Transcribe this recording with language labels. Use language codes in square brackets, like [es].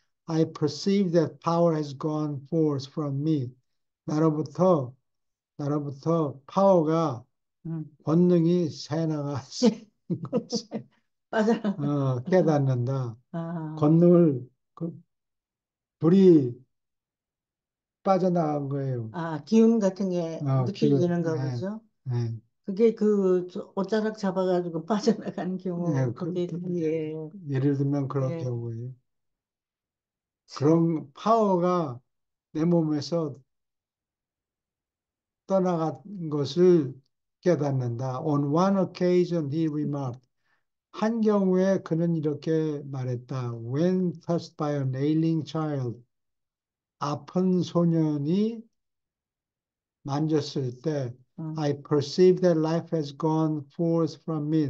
[en] I perceive that power has gone forth from me. [ko] 나로부터 파워가 권능이 새나갔 것을 맞아. 깨닫는다. 권능을 불이 빠져나간 거예요. 아, 기운 같은 게 기운. 느껴지는가 보죠. 그게 그 옷자락 잡아가지고 빠져나간 경우, 그게 예를 들면 그렇게 예. 하고요. 참. 그런 파워가 내 몸에서 떠나간 것을 깨닫는다. [en] On one occasion, he remarked. [ko] 한 경우에 그는 이렇게 말했다. [en] When touched by a ailing child, [ko] 아픈 소년이 만졌을 때, [en] I perceive that life has gone forth from me.